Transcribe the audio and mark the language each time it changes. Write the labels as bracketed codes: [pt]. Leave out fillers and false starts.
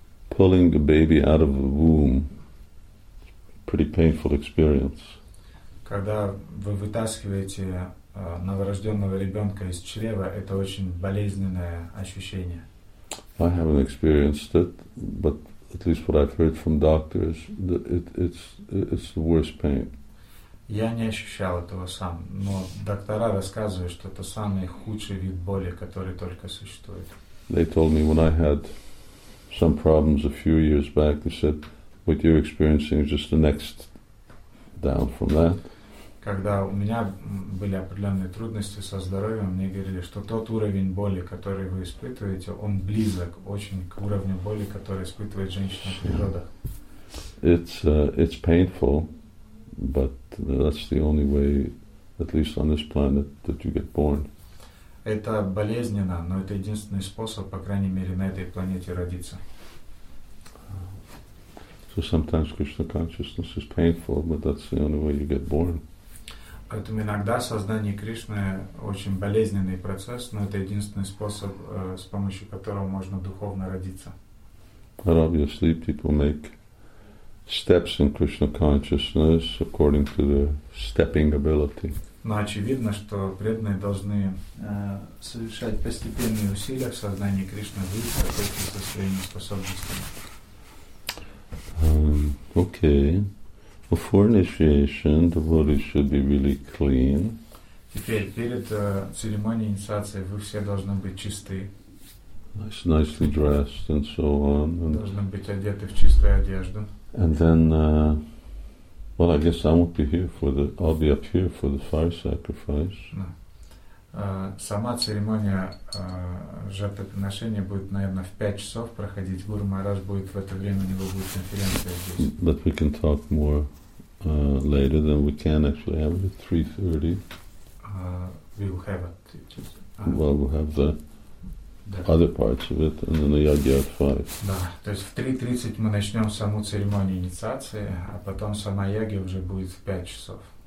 [en] Pulling the baby out of the womb, pretty painful experience. [ru] Когда вы вытаскиваете новорожденного ребенка из чрева, это очень болезненное ощущение. [en] I haven't experienced it, but at least what I've heard from doctors, it's the worst pain. [ru] Я не ощущал этого сам, но доктора рассказывают, что это самый худший вид боли, который только существует. [en] They told me when I had some problems a few years back, they said, what you're experiencing is just the next down from that. [ru] Когда у меня были определенные трудности со здоровьем, мне говорили, что тот уровень боли, который вы испытываете, он близок очень к уровню боли, который испытывает женщина в природах. [en] It's painful, but that's the only way, at least on this planet, that you get born. [ru] Это болезненно, но это единственный способ, по крайней мере, на этой планете родиться. [en] So sometimes Krishna consciousness is painful, but that's the only way you get born. [ru] Поэтому иногда сознание Кришны очень болезненный процесс, но это единственный способ, с помощью которого можно духовно родиться. [en] But obviously people make steps in Krishna consciousness according to their stepping ability. [ru] Но очевидно, что преданные должны совершать постепенные усилия в сознании Кришны, выйти со своими способностями. [en] Okay. Before initiation, the body should be really clean. [ru] Теперь перед церемонией инициации вы все должны быть чисты. [en] Nicely dressed and so on. [ru] Должны быть одеты в чистую одежду. [en] And then, I guess I won't be here for the. I'll be up here for the fire sacrifice. [ru] Сама церемония жертвоприношения будет, наверное, в 5 часов проходить. Гуру Махарадж будет в это время, у него будет конференция здесь. [en] But we can talk more. Later than we can actually have it at 3:30. We will have it. Well, we'll have the other parts of it, and then the yagya at 5. [ru] Да, то есть в 3:30 мы начнем саму церемонию инициации, а потом сама ягья уже будет в 5 часов.